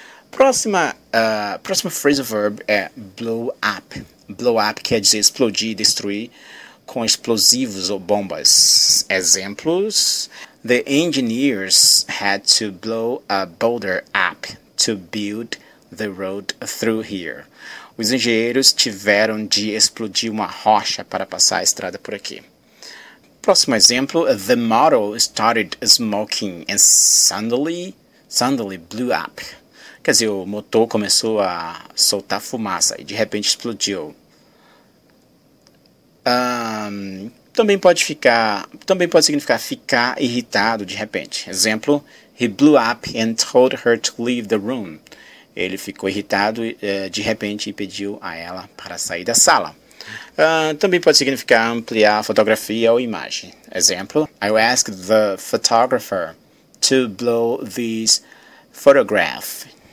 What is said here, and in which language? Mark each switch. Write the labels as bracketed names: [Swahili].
[Portuguese] Próximo phrasal verb é blow up. Blow up quer dizer explodir, destruir com explosivos ou bombas. [English] Exemplos, the engineers had to blow a boulder up to build the road through here. [Portuguese] Os engenheiros tiveram de explodir uma rocha para passar a estrada por aqui. Próximo exemplo, [English] the model started smoking and suddenly blew up. [Portuguese] Quer dizer, o motor começou a soltar fumaça e de repente explodiu. Também pode significar ficar irritado de repente. [English] Exemplo, he blew up and told her to leave the room. [Portuguese] Ele ficou irritado de repente e pediu a ela para sair da sala. Também pode significar ampliar a fotografia ou imagem. [English] Exemplo, I asked the photographer to blow this photograph.